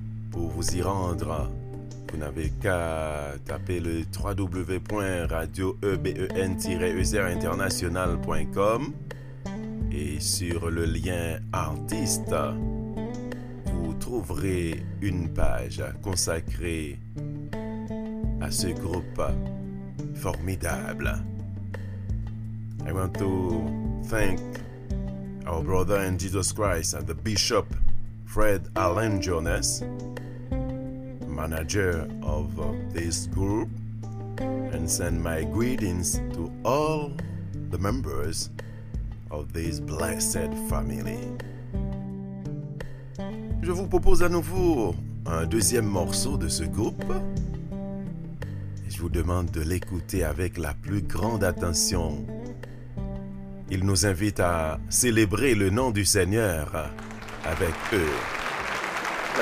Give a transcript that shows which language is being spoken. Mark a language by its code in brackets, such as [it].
[fr] Pour vous y rendre, vous n'avez qu'à taper le www.radioeben-ezerinternational.com et sur le lien artiste, vous trouverez une page consacrée à ce groupe formidable. [en] I want to thank our brother in Jesus Christ and the Bishop Fred Allen Jones, manager of this group, and send my greetings to all the members of this blessed family. [fr] Je vous propose à nouveau un deuxième morceau de ce groupe. Je vous demande de l'écouter avec la plus grande attention. Il nous invite à célébrer le nom du Seigneur avec eux.